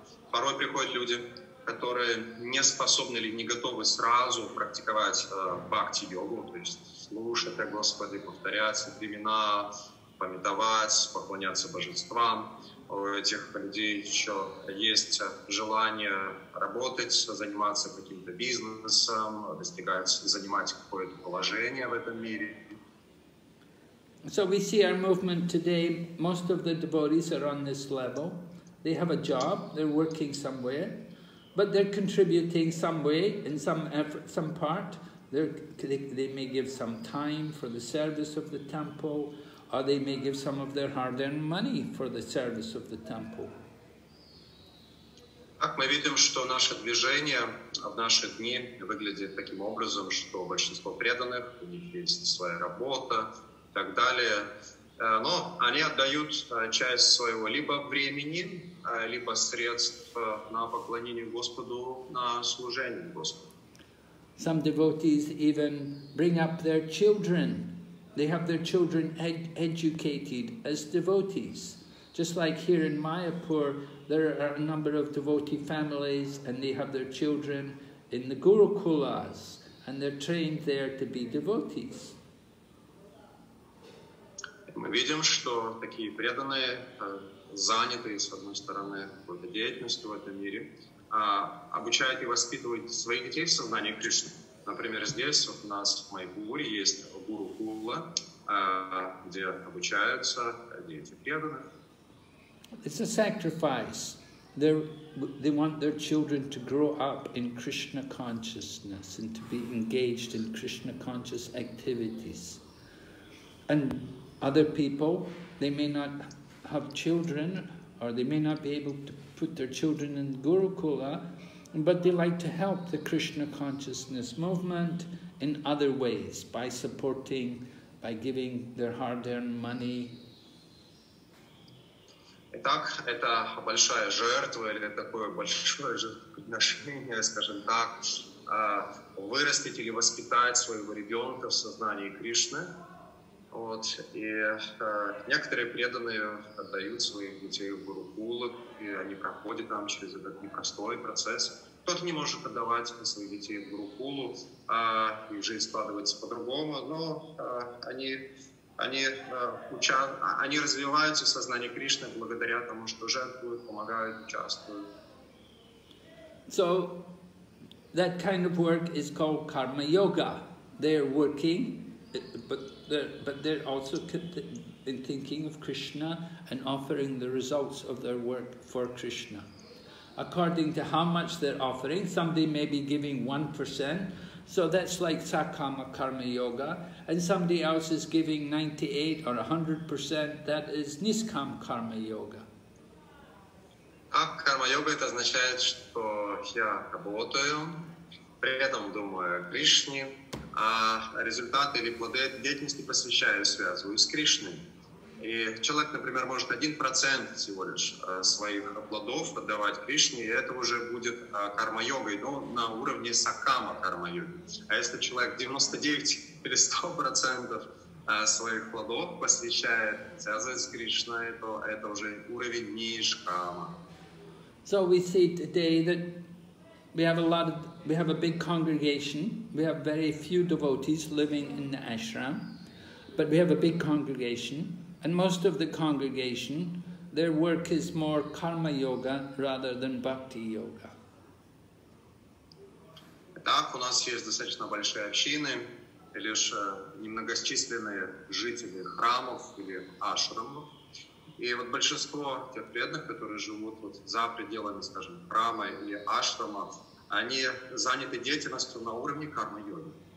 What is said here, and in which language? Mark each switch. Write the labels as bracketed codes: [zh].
[ru] Порой приходят люди, которые не способны или не готовы сразу практиковать бхакти-йогу, то есть слушать о Господе, повторять имена, памятовать, поклоняться божествам. У этих людей еще есть желание работать, заниматься каким-то бизнесом, занимать какое-то положение в этом мире. [en] So we see our movement today, most of the devotees are on this level. They have a job, they're working somewhere, But they're contributing some way, in some effort, some part. They may give some time for the service of the temple, or they may give some of their hard-earned money for the service of the temple. [ru] Так мы видим, что наше движение в наши дни выглядит таким образом, что большинство преданных, у них есть своя работа и так далее. Но они отдают часть своего либо времени, либо средств на поклонение Господу, на служение Господу. [en] Some devotees even bring up their children. They have their children educated as devotees. Just like here in Mayapur, there are a number of devotee families and they have their children in the Gurukulas and they're trained there to be devotees. [ru] Мы видим, что такие преданные заняты, с одной стороны, какой-то деятельностью в этом мире, обучают и воспитывают своих детей в сознании Кришны. Например, здесь вот у нас в Майпуре есть Гурукула, где обучаются дети преданных. [en] It's a sacrifice. They want their children to grow up in Krishna consciousness and to be engaged in Krishna conscious activities. And other people, they may not have children or they may not be able to put their children in Gurukula, but they like to help the Krishna consciousness movement in other ways by supporting, by giving their hard-earned money. [ru] Итак, это большая жертва или такое большое жертвоприношение, скажем так, вырастить или воспитать своего ребенка в сознании Кришны. Вот, и некоторые преданные отдают своих детей в Гурукулу, и они проходят там через этот непростой процесс. Кто-то не может отдавать своих детей в Гурукулу, а их жизнь складывается по-другому, но они развиваются в сознании Кришны благодаря тому, что жертвуют, помогают, участвуют. [en] So, that kind of work is called karma yoga. They're working, but they're also in thinking of Krishna and offering the results of their work for Krishna. According to how much they're offering, somebody may be giving 1%, so that's like Sakama Karma Yoga, and somebody else is giving 98 or 100%, that is Niskam Karma Yoga. [ru] Karma Yoga, это означает, что я работаю, при этом думаю о Кришне, а результаты или плоды деятельности посвящаю, связываю с Кришной. И человек, например, может 1% всего лишь своих плодов отдавать Кришне, и это уже будет карма-йогой, но на уровне сакама карма-йоги. А если человек 99 или 100% своих плодов посвящает, связывает с Кришной, то это уже уровень нишкама. [en] So we see today that we have a big congregation. We have very few devotees living in the ashram, but we have a big congregation. And most of the congregation, their work is more karma yoga rather than bhakti yoga. [ru] Так, у нас есть достаточно большие общины, лишь немногочисленные жители храмов или ашрамов. И вот большинство тех преданных, которые живут вот за пределами, скажем, храма или ашрама, они заняты деятельностью на уровне карма йоги.